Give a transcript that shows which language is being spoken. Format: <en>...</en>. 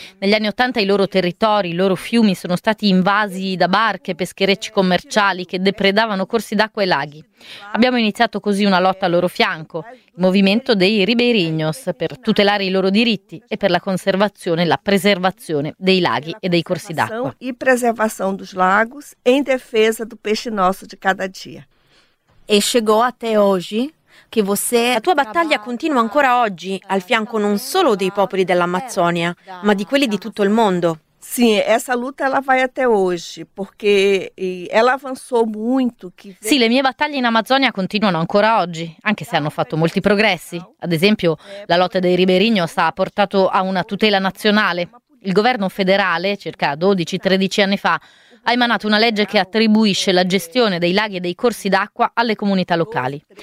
<it>Negli anni 80 i loro territori, i loro fiumi sono stati invasi da barche, pescherecci commerciali che depredavano corsi d'acqua e laghi. Abbiamo iniziato così una lotta al loro fianco, il movimento dei ribeirinhos, per tutelare i loro diritti e per la conservazione e la preservazione dei laghi e dei corsi d'acqua.</it> <pt>E preservazione dos lagos in difesa do peixe nosso de cada dia. E chegou até hoje que você...</pt> <it>La tua battaglia continua ancora oggi, al fianco non solo dei popoli dell'Amazzonia, ma di quelli di tutto il mondo.</it> <pt>Sì, essa luta ela vai até hoje, porque ela avançou muito.</pt> <it>Sì, le mie battaglie in Amazzonia continuano ancora oggi, anche se hanno fatto molti progressi. Ad esempio, la lotta dei ribeirinhos ha portato a una tutela nazionale. Il governo federale, circa 12-13 anni fa, ha emanato una legge che attribuisce la gestione dei laghi e dei corsi d'acqua alle comunità locali.</it>